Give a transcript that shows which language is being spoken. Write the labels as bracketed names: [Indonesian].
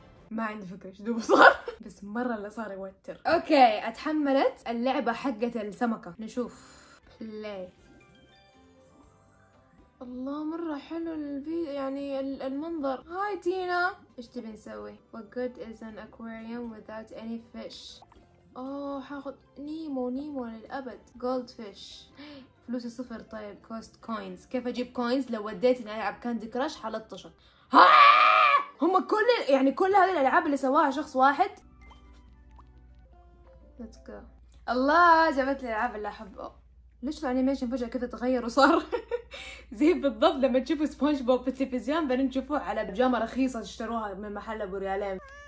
[Arabic] ما عندي فكره ايش دوب صار. بس مره اللي صار يوتر. اوكي اتحملت اللعبه حقت السمكه، نشوف بلاي. الله مره حلو الفيديو يعني المنظر. هاي تينا ايش تبي نسوي؟ [English] What good is an aquarium without any fish. [Arabic] اوه حاخذ نيمو للابد. جولد فيش فلوس صفر. طيب كوست كوينز، كيف اجيب كوينز لو وديت اني العب كاندي كراش حلطشك. ها هم كل يعني كل هذه الالعاب اللي سواها شخص واحد. [English] Let's go. [Arabic] الله جابت لي الالعاب اللي احبها. ليش الانيميشن فجاه كذا تغير وصار زي بالضبط لما تشوفوا سبونج بوب في التلفزيون بعدين تشوفوه على بجامه رخيصه تشتروها من محل ابو ريالين.